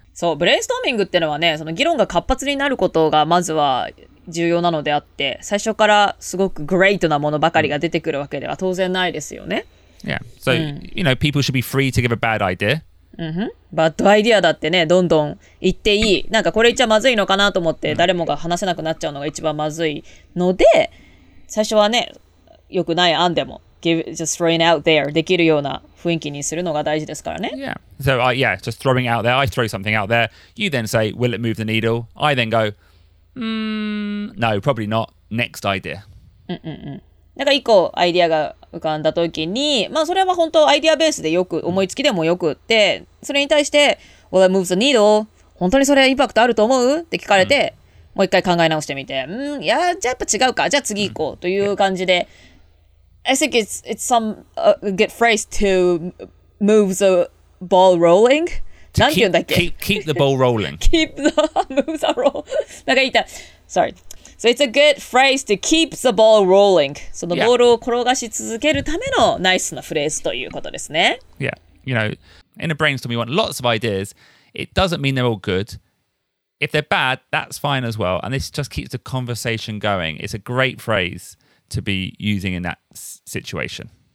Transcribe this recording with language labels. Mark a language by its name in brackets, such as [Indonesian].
[Japanese] そう、ブレインストーミングってのはね、その議論が活発になることがまずは重要なのであって、最初からすごくグレートなものばかりが出てくるわけでは当然ないですよね。 [English] Yeah. So,、うん、you know, people should be free to give a bad idea. [Japanese] うん、バッドアイディアだってね、どんどん言っていい。なんかこれ言っちゃまずいのかなと思って、誰もが話せなくなっちゃうのが一番まずいので、最初はね、良くない案でも、 [English] give, just throwing out there [Japanese] できるような雰囲気にするのが大事ですからね。 [English] Yeah. So, yeah, just throwing out there. I throw something out there. You then say, will it move the needle? I then go,No, probably not. Next idea. [Japanese] なんか一個アイディアが浮かんだ時に、まあそれは本当アイディアベースでよく思いつきでもよくって、それに対して、 [English] Well, that moves the needle. [Japanese] 本当にそれインパクトあると思う？って聞かれて、もう一回考え直してみて、うん、いや、じゃあやっぱ違うか。じゃあ次行こうという感じで、 [English] I think it's some good phrase to move the ball rolling. To keep the ball rolling. Keep the moves are rolling. [Japanese] なんか言った。 [English] Sorry. So it's a good phrase to keep the ball rolling. [Japanese] そのボールを転がし続けるためのナイスなフレーズということですね。 [English] Yeah. You know, in a brainstorm, you want lots of ideas. It doesn't mean they're all good. If they're bad, that's fine as well. And this just keeps the conversation going. It's a great phrase to be using in that situation.